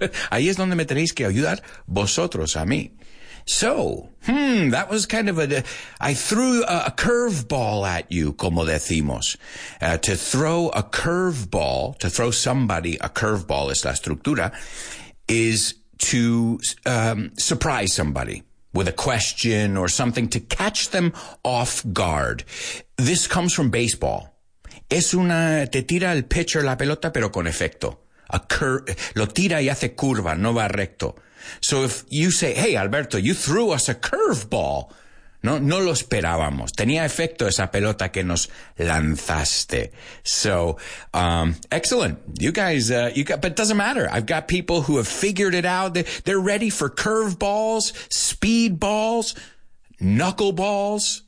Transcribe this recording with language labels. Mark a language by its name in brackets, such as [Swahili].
[Spanish] Ahí es donde me tenéis que ayudar vosotros a mí. [English] So, that was kind of I threw a curveball at you, [Spanish] como decimos. [English] To throw a curveball, to throw somebody a curveball, [Spanish] es la estructura, [English] is to surprise somebody with a question or something to catch them off guard. This comes from baseball. [Spanish] Es una, te tira el pitcher la pelota, pero con efecto. Lo tira y hace curva, no va recto. [English] So if you say, hey, Alberto, you threw us a curveball. [Spanish] No lo esperábamos. Tenía efecto esa pelota que nos lanzaste. [English] So, excellent. But it doesn't matter. I've got people who have figured it out. They're ready for curveballs, speedballs, knuckleballs.